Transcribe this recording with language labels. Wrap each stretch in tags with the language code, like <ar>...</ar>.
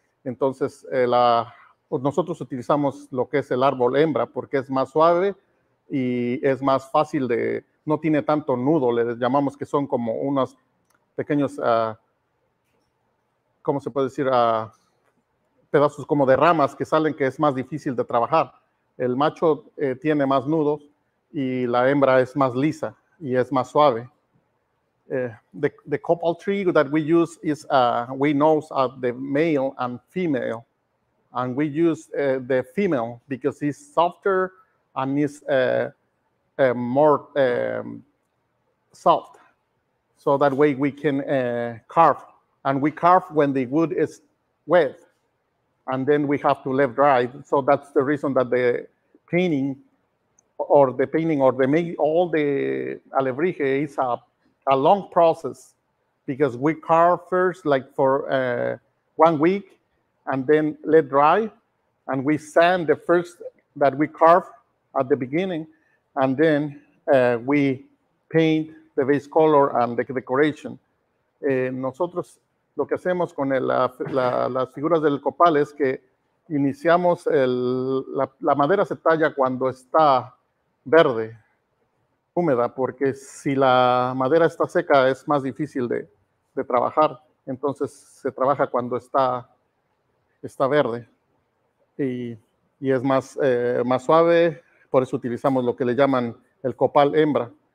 <es>Entonces, nosotros utilizamos lo que es el árbol hembra porque es más suave y es más fácil de, no tiene tanto nudo, le llamamos que son como unos pequeños, ¿cómo se puede decir? Pedazos como de ramas que salen, que es más difícil de trabajar. El macho tiene más nudos y la hembra es más lisa y es más suave.</es> <en>The copal tree that we use is, we know the male and female. And we use the female because it's softer and it's more soft. So that way we can carve. And we carve when the wood is wet. And then we have to let dry. So that's the reason that the painting or the painting or the make all the alebrije is a long process because we carve first like for 1 week and then let dry and we sand the first that we carve at the beginning and then we paint the base color and the decoration.</en> <es>Nosotros lo que hacemos con las figuras del copal es que iniciamos la madera se talla cuando está verde, húmeda, porque si la madera está seca es más difícil de trabajar, entonces se trabaja cuando está verde y es más, más suave, por eso utilizamos lo que le llaman el copal hembra.</es>